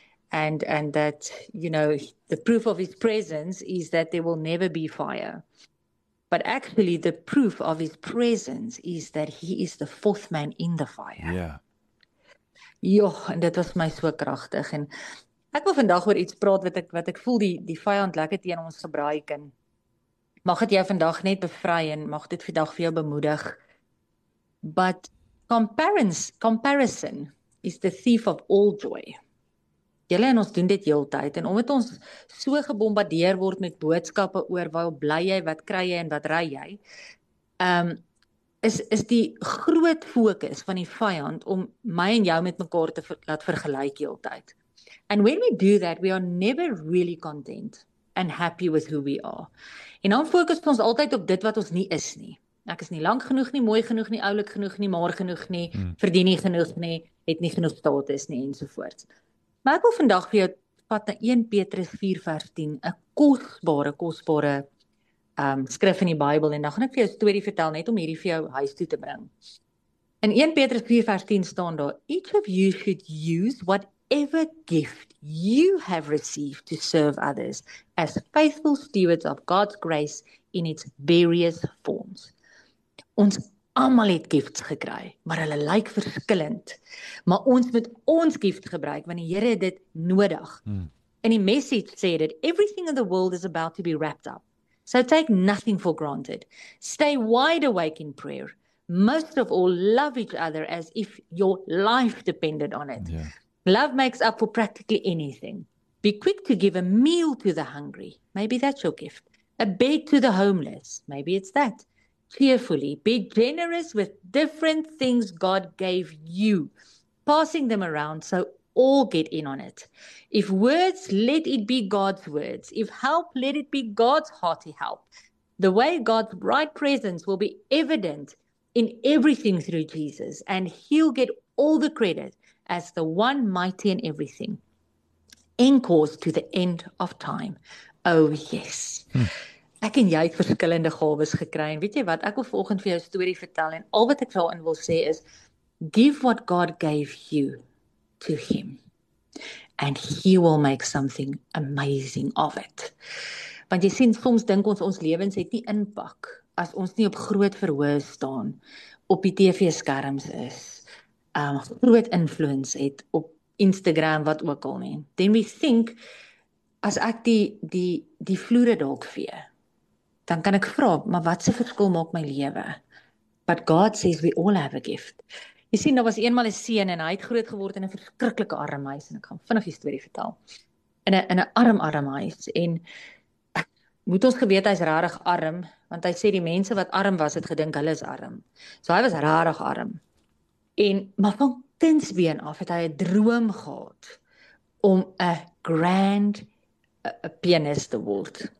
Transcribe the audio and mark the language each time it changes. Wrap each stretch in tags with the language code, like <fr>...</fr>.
<en>And that, you know, the proof of his presence is that there will never be fire. But actually the proof of his presence is that he is the fourth man in the fire. Yeah.</en> <af>Jo, en dit was my so kragtig en ek wil vandag oor iets praat wat ek voel die vyand lekker teen ons gebruik en mag dit jou vandag net bevry en mag dit vandag vir jou bemoedig.</af> <en>But comparison is the thief of all joy.</en> <af>Julle en ons doen dit heeltyd en omdat ons so gebombardeer word met boodskappe oor waar bly jy, wat kry jy en wat ry jy, is die groot fokus van die vyand om my en jou met mekaar te laat vergelyk heeltyd.</af> <en>And when we do that, we are never really content and happy with who we are.</en> <af>En dan fokus ons altyd op dit wat ons nie is nie. Ek is nie lank genoeg nie, mooi genoeg nie, oulik genoeg nie, maar genoeg nie, verdien nie genoeg nie, het nie genoeg status nie ensovoorts. Maar ek wil vandag vir jou vat na 1 Petrus 4 vers 10, 'n kosbare skrif in die Bybel en dan gaan ek vir jou 'n storie vertel net om hierdie vir jou huis toe te bring. In 1 Petrus 4 vers 10 staan daar:</af> <en>Each of you should use whatever gift you have received to serve others as faithful stewards of God's grace in its various forms.</en> <af>Ons almal het gifts gekry, maar hulle lyk verskillend. Maar ons moet ons gift gebruik want die Here het dit nodig. In die Message sê dit:</af> <en>Everything in the world is about to be wrapped up. So take nothing for granted. Stay wide awake in prayer. Most of all, love each other as if your life depended on it. Yeah. Love makes up for practically anything. Be quick to give a meal to the hungry. Maybe that's your gift. A bed to the homeless. Maybe it's that. Cheerfully, be generous with different things God gave you, passing them around so all get in on it. If words, let it be God's words. If help, let it be God's hearty help. The way God's right presence will be evident in everything through Jesus, and he'll get all the credit as the one mighty in everything. Encores to the end of time. Oh yes.</en> <af>Ek en jy het verskillende gawes gekry. En weet jy wat? Ek wil vanoggend vir jou 'n storie vertel en al wat ek daarin wil sê is</af> <en>give what God gave you to him and he will make something amazing of it.</en> <af>Want jy sien, soms dink ons lewens het nie impak as ons nie op groot verhoog staan, op die TV-skerms is, groot influence het op Instagram wat ook al nie.</af> <en>Then we think</en> <af>as ek die vloere dalk vee, dan kan ek vra, maar wat se verskil maak my lewe?</af> <en>But God says we all have a gift.</en> <af>Jy sien, daar was eenmal 'n seun en hy het groot geword in 'n verskriklike arm huis en ek gaan vinnig die storie vertel. In 'n arm huis en moet ons geweet hy's regtig arm, want hy sê die mense wat arm was het gedink hulle is arm. So hy was regtig arm. En maar van kindsbeen af het hy 'n droom gehad om 'n grand pianist te word.</af>